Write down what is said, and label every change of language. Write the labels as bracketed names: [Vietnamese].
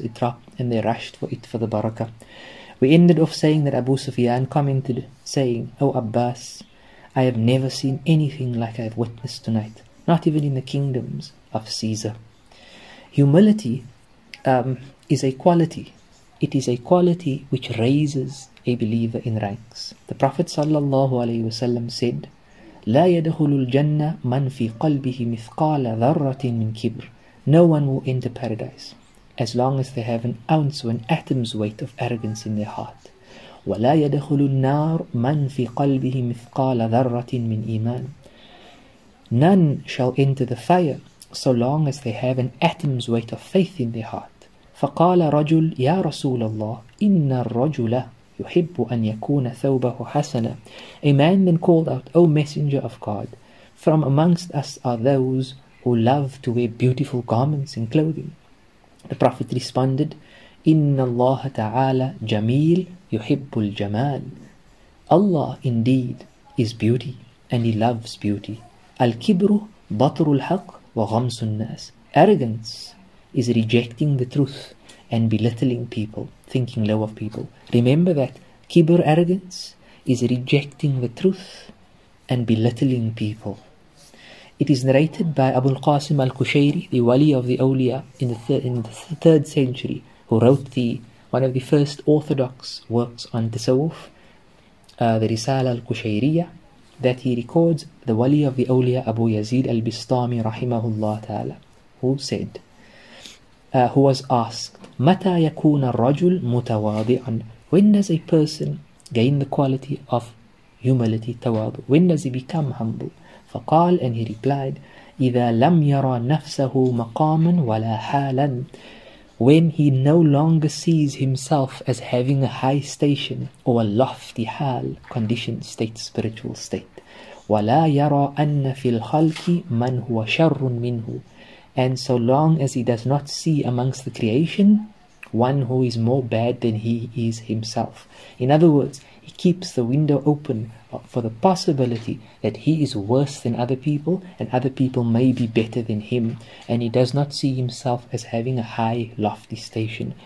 [English] It dropped, and they rushed for it for the barakah. We ended off saying that Abu Sufyan commented, saying, "O Abbas, I have never seen anything like I have witnessed tonight, not even in the kingdoms of Caesar." Humility is a quality. It is a quality which raises a believer in ranks. The Prophet sallallahu alaihi wasallam said, [Arabic] "لا يدخل الجنة من في قلبه مثقال ذرة من كبر." [English] No one will enter paradise as long as they have an ounce or an atom's weight of arrogance in their heart. [Arabic] وَلَا يَدَخُلُ النَّارِ مَنْ فِي قَلْبِهِ مِثْقَالَ ذَرَّةٍ مِنْ إِيمَانٍ. [English] None shall enter the fire so long as they have an atom's weight of faith in their heart. [Arabic] فَقَالَ رَجُلْ يَا رَسُولَ اللَّهِ إِنَّ الرَّجُلَ يُحِبُّ أَنْ يَكُونَ ثَوْبَهُ حَسَنًا. [English] A man then called out, "O Messenger of God, from amongst us are those who love to wear beautiful garments and clothing." The Prophet responded, [Arabic] "إِنَّ اللَّهَ تَعَالَى جَمِيلٌ يُحِبُّ الْجَمَالِ." [English] Allah indeed is beauty, and He loves beauty. [Arabic] الْكِبْرُ بَطْرُ الْحَقِّ وَغَمْسُ النَّاسِ. [English] Arrogance is rejecting the truth and belittling people, thinking low of people. Remember that kibr, arrogance, is rejecting the truth and belittling people. It is narrated by Abu al-Qasim al-Kushayri, the wali of the awliya in the third century, who wrote one of the first orthodox works on tasawuf, the Risala al-Kushayriya, that he records the wali of the awliya, Abu Yazid al-Bistami rahimahullah ta'ala, who was asked, [Arabic] "متى يكون الرجل متواضعا?" [English] When does a person gain the quality of humility, tawadu? When does he become humble? [Arabic] فقال, [English] and he replied, [Arabic] "إذا لم يرى نفسه مقاما ولا حالا." [English] When he no longer sees himself as having a high station or a lofty hal, condition, state, spiritual state. [Arabic] ولا يرى أن في الخلق من هو شر منه. [English] And so long as he does not see amongst the creation one who is more bad than he is himself. In other words, he keeps the window open for the possibility that he is worse than other people, and other people may be better than him, and he does not see himself as having a high, lofty station.